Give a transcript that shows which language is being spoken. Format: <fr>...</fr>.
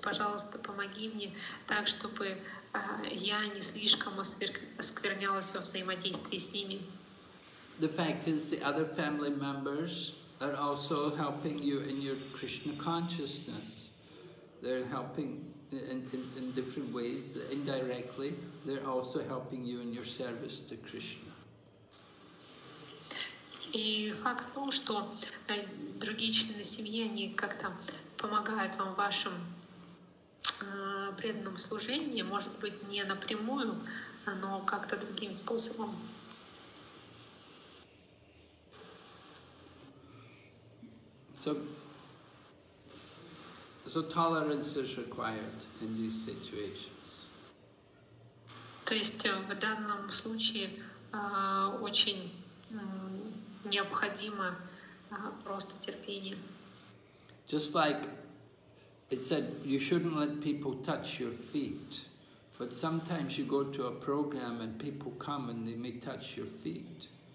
<ru>Пожалуйста, помоги мне так, чтобы я не слишком осквернялась во взаимодействии с ними.</ru> <en>The fact is, the other family members are also helping you in your Krishna consciousness. They're helping in different ways, indirectly. They're also helping you in your service to Krishna.</en> <ru>И факт в том, что другие члены семьи, они как-то помогают вам в вашем преданном служении, может быть, не напрямую, но как-то другим способом.</ru> <en>So tolerance is required in these situations.</en> <ru>То есть в данном случае очень необходимо просто терпение.</ru> <en>Just like it said, you shouldn't let people touch your feet, but sometimes you go to a program and people come and they may touch your feet.</en>